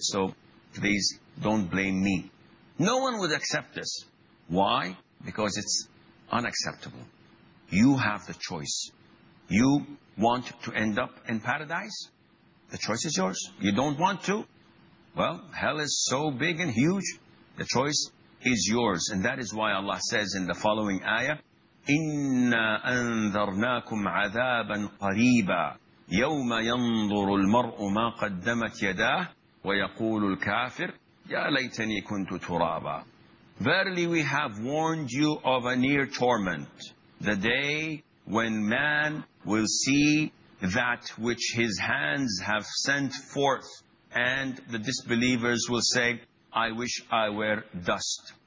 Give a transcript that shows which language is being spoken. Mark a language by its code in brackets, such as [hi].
[en] So please don't blame me. No one would accept this. Why? Because it's unacceptable. You have the choice. You want to end up in paradise? The choice is yours. You don't want to? Well, hell is so big and huge. The choice is yours. And that is why Allah says in the following ayah, [ar] إِنَّا أَنذَرْنَاكُمْ عَذَابًا قَرِيبًا يَوْمَ يَنْظُرُ الْمَرْءُ مَا قَدَّمَتْ يَدَاهُ وَيَقُولُ الْكَافِرُ يَا لَيْتَنِي كُنْتُ تُرَابًا. [en] Verily we have warned you of a near torment, the day when man will see that which his hands have sent forth, and the disbelievers will say, I wish I were dust.